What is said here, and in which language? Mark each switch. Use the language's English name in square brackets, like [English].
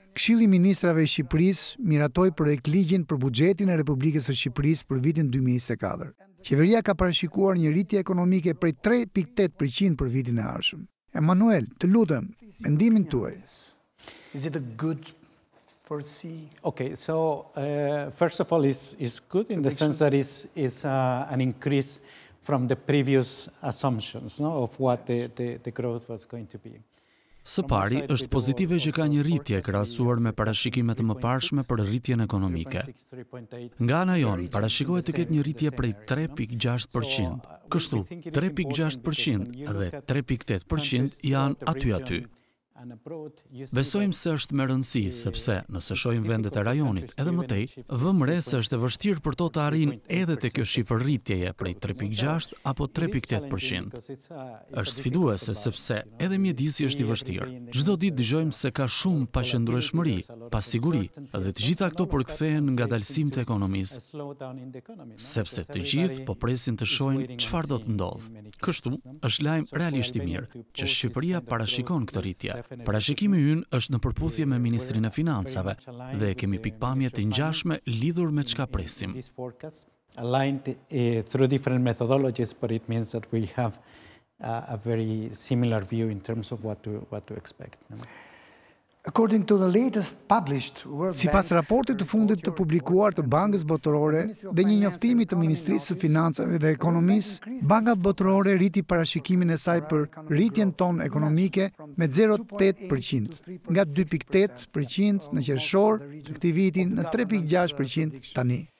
[Albanian] Këshilli i Ministrave i Shqipërisë miratoi projekt ligjin për buxhetin e Republikës së Shqipërisë për vitin 2024. Qeveria ka parashikuar një rritje ekonomike prej 3.8% për vitin e ardhshëm. Emanuel, të lutem, mendimin tuaj. [English] Is it a good foresee? Okay, so first of all is good in the sense that is an increase from the previous assumptions, no, of what the growth was going to be. [Albanian] Së pari, është pozitive që ka një rritje krahasuar me parashikimet më parshme për rritjen ekonomike. Nga ana jonë, parashikohet të ketë një rritje prej 3.6%. Kështu, 3.6% dhe 3.8% janë aty. Besojmë se është me rëndësi, sepse nëse shohim vendet e rajonit, edhe më tej, vëmë re se është e vështirë për to të arrinë edhe te kjo shifër rritjeje prej 3.6 apo 3.8%. Është sfiduese sepse edhe mjedisi është i vështirë. Çdo ditë dëgjojmë se ka shumë paqëndrueshmëri, pasiguri, dhe të gjitha këto përkthehen nga dalësimet e ekonomisë, sepse të gjithë po presin të shohin çfarë do të ndodhë. Kështu, është lajm realisht i mirë që Shqipëria parashikon këtë rritje. Parashikimi ynë është në përputhje me Ministrinë e Financave dhe kemi pikpamje të ngjashme lidhur me çka presim. [English] Aligned through different methodologies, but it means that we have a very similar view in terms of what to expect. According to the latest published World Bank, [Albanian] sipas raportit të fundit të publikuar të Bankës Botërore dhe një njoftimi të Ministrisë së Financave dhe Ekonomisë, Banka Botërore rriti parashikimin e saj për rritjen tonë ekonomike me 0.8% nga 2.8% në qershor të këtij viti në 3.6% tani.